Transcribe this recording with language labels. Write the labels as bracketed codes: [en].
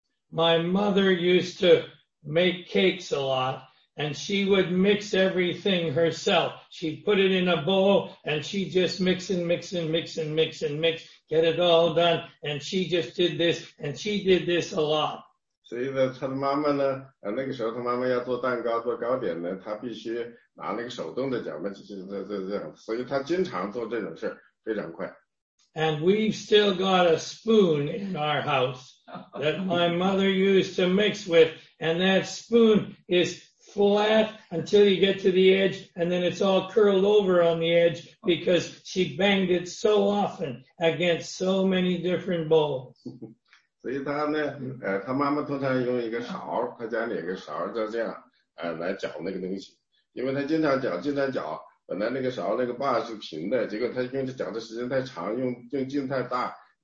[en] My mother used to make cakes a lot, and she would mix everything herself. She'd put it in a bowl, and she'd just mix and mix and mix and mix and mix, get it all done, and she just did this, and she did this a lot. [zh] 所以呢他的妈妈呢那个时候他妈妈要做蛋糕做糕点呢他必须拿那个手动的搅拌器，所以他经常做这种事，非常快。 [en] And we've still got a spoon in our house that my mother used to mix with, and that spoon is flat until you get to the edge, and then it's all curled over on the edge because she banged it so often against so many different bowls. [zh] 所以他呢，他妈妈通常用一个勺，他家里有个勺，就这样，来搅那个东西。因为他经常搅，经常搅，本来那个勺那个把是平的，结果他用着搅的时间太长，用劲太大，